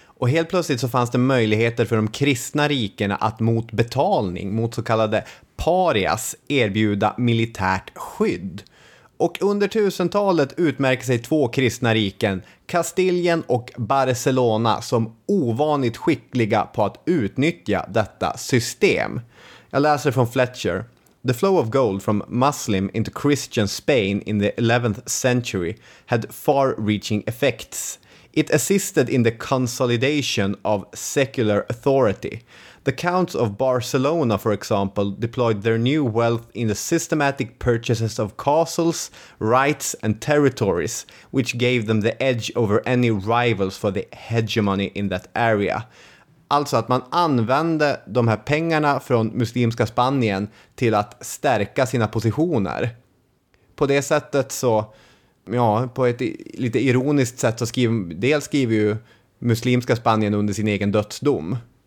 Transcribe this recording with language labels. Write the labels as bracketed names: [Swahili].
[Swedish] Och helt plötsligt så fanns det möjligheter för de kristna rikerna att mot betalning, mot så kallade parias, erbjuda militärt skydd. Och under 1000-talet utmärker sig två kristna riken, Kastilien och Barcelona, som ovanligt skickliga på att utnyttja detta system. Jag läser från Fletcher. [English] The flow of gold from Muslim into Christian Spain in the 11th century had far-reaching effects. It assisted in the consolidation of secular authority. The counts of Barcelona, for example, deployed their new wealth in the systematic purchases of castles, rights and territories, which gave them the edge over any rivals for the hegemony in that area. [Swedish] Alltså att man använde de här pengarna från muslimska Spanien till att stärka sina positioner. På det sättet så, ja, på ett lite ironiskt sätt så skriver ju muslimska Spanien under sin egen dödsdom.